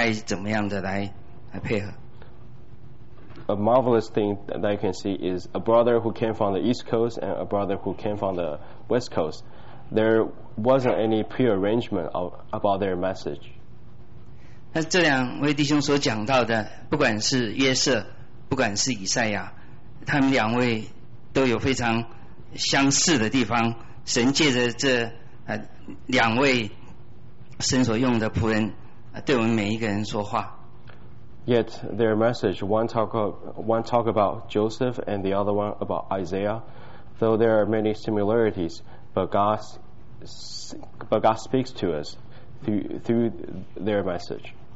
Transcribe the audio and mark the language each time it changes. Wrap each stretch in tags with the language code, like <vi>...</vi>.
<zh>很奇妙的一件事是一位弟兄来自东海岸，一位弟兄来自西海岸，也没有去预先去安排这信息该怎么样的来配合。</zh> <en>A marvelous thing that I can see is a brother who came from the East Coast and a brother who came from the West Coast. There wasn't any pre-arrangement about their message.</en> <zh>那这两位弟兄所讲到的，不管是约瑟，不管是以赛亚，他们两位都有非常相似的地方。神借着这两位神所用的仆人，对我们每一个人说话。</zh> <en>Yet their message, one talk about Joseph and the other one about Isaiah, though there are many similarities, but God speaks to us through their message.</en>